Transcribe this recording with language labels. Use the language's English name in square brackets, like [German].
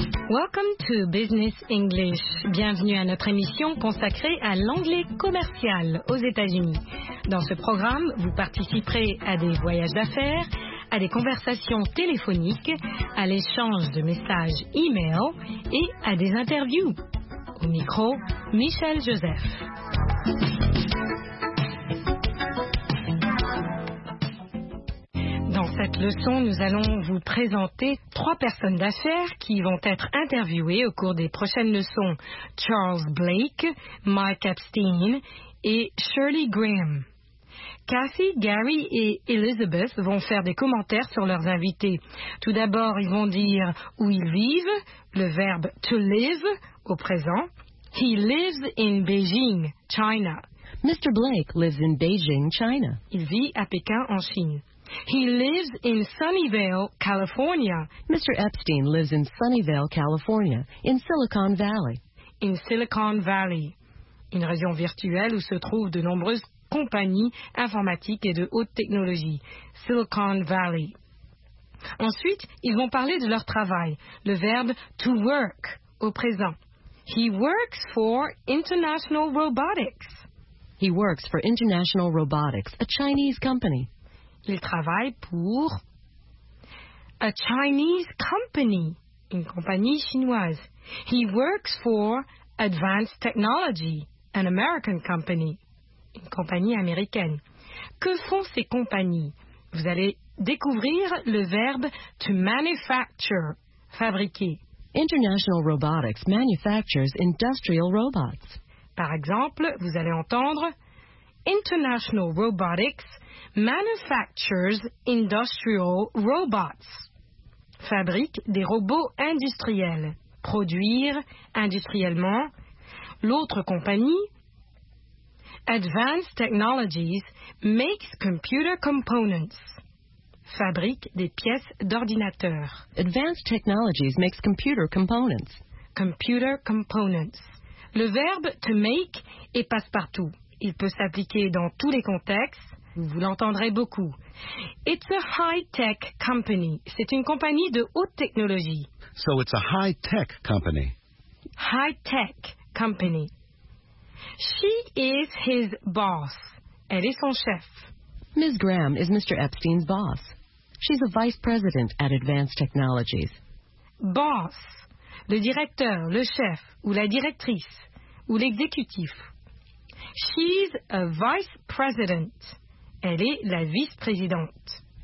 [English] Welcome to Business English. [French] Bienvenue à notre émission consacrée à l'anglais commercial aux États-Unis. Dans ce programme, vous participerez à des voyages d'affaires, à des conversations téléphoniques, à l'échange de messages e-mail et à des interviews. Au micro, Michel Joseph. Dans cette leçon, nous allons vous présenter trois personnes d'affaires qui vont être interviewées au cours des prochaines leçons. Charles Blake, Mike Epstein et Shirley Graham. Kathy, Gary et Elizabeth vont faire des commentaires sur leurs invités. Tout d'abord, ils vont dire où ils vivent, le verbe to live au présent. [English] He lives in Beijing, China. Mr. Blake lives in Beijing, China. [French] Il vit à Pékin, en Chine. [English] He lives in Sunnyvale, California. Mr. Epstein lives in Sunnyvale, California, in Silicon Valley. In Silicon Valley, [French] une région virtuelle où se trouvent de nombreuses compagnies informatiques et de haute technologie. Silicon Valley. Ensuite, ils vont parler de leur travail, le verbe to work au présent. [English] He works for International Robotics. He works for International Robotics, a Chinese company. [French] Il travaille pour [English] a Chinese company, [French] une compagnie chinoise. [English] He works for Advanced Technology, an American company, [French] une compagnie américaine. Que font ces compagnies? Vous allez découvrir le verbe to manufacture, fabriquer. [English] International Robotics manufactures industrial robots. [French] Par exemple, vous allez entendre [English] International Robotics manufactures industrial robots. [French] Fabrique des robots industriels. Produire industriellement. L'autre compagnie, [English] Advanced Technologies makes computer components. [French] Fabrique des pièces d'ordinateur. [English] Advanced Technologies makes computer components. Computer components. [French] Le verbe to make est passe-partout. Il peut s'appliquer dans tous les contextes. Vous l'entendrez beaucoup. [English] It's a high-tech company. [French] C'est une compagnie de haute technologie. [English] So it's a high-tech company. High-tech company. She is his boss. [French] Elle est son chef. [English] Ms. Graham is Mr. Epstein's boss. She's a vice president at Advanced Technologies. Boss. [French] Le directeur, le chef, ou la directrice, ou l'exécutif. [English] She's a vice president. [French] Elle est la vice-présidente.